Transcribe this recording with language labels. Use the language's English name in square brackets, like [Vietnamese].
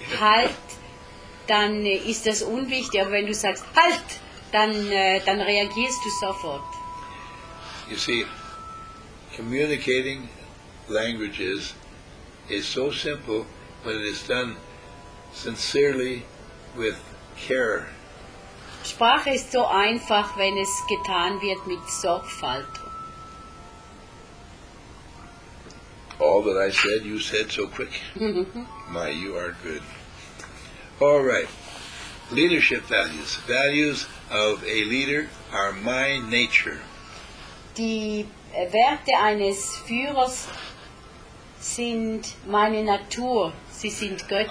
[German] Halt, dann ist das unwichtig. Aber wenn du sagst, halt, dann reagierst du sofort. [English] You see, communicating languages is so simple when it is done sincerely with care. [German] Sprache ist so einfach, wenn es getan wird mit Sorgfalt. [English] All that I said, you said so quick. My, you are good. All right. Leadership values. Values of a leader are my nature. [German] Die Werte eines Führers sind meine Natur. Sie sind göttlich.